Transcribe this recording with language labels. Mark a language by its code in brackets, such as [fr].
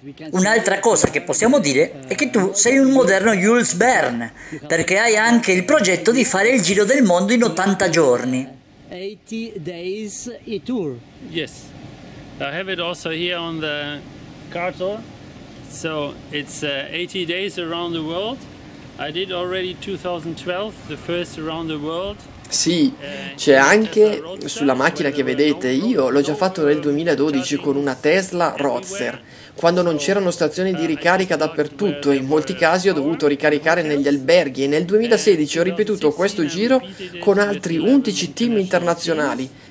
[it] Un'altra cosa che possiamo dire è che tu sei un moderno Jules Verne, perché hai anche il progetto di fare il giro del mondo in 80 giorni. [en] 80 days a tour. Yes, I have it also here on the cartel. So it's 80 days around the world. I did already 2012 the first around the world. [it] Sì, c'è anche sulla macchina che vedete, io l'ho già fatto nel 2012 con una Tesla Roadster, quando non c'erano stazioni di ricarica dappertutto e in molti casi ho dovuto ricaricare negli alberghi e nel 2016 ho ripetuto questo giro con altri 11 team internazionali.